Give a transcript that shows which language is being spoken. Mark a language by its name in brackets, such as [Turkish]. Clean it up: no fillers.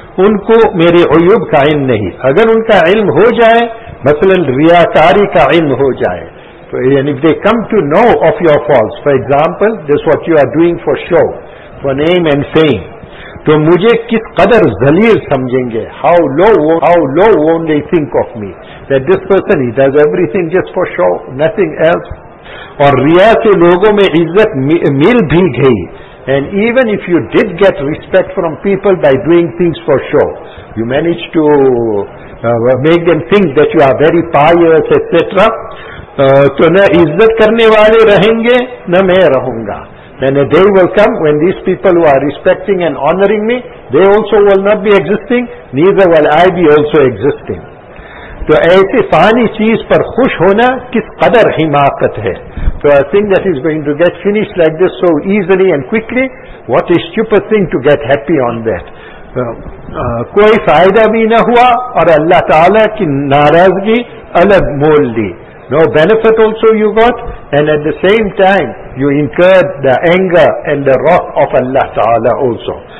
[Urdu] ان کو میرے عیوب کا علم نہیں. اگر ان کا علم ہو جائے, [English] مثلا ریاکاری کا علم ہو جائے, and if they come to know of your faults, for example, this what you are doing for show, for name and fame, [Urdu] to mujhe kis qadar zaleel samjhenge, [English] how low won't they think of me, that this person, he does everything just for show, nothing else. [Urdu] Aur riya ke logo mein izzat mil bhi gayi, [English] and even if you did get respect from people by doing things for show, you managed to make them think that you are very pious, etc., [Urdu] تو نہ عزت کرنے والے رہیں گے نہ میں رہوں گا. [English] Then a day will come when these people who are respecting and honoring me, they also will not be existing, neither will I be also existing. [Urdu] تو ایسے فانی چیز پر خوش ہونا کس قدر حماقت ہے. [English] So a thing that is going to get finished like this so easily and quickly, what a stupid thing to get happy on that. [Urdu] کوئی فائدہ بھی نہ ہوا اور اللہ تعالیٰ کی ناراضگی الگ مول لی. [English] No benefit also you got, and at the same time you incurred the anger and the wrath of Allah Ta'ala also.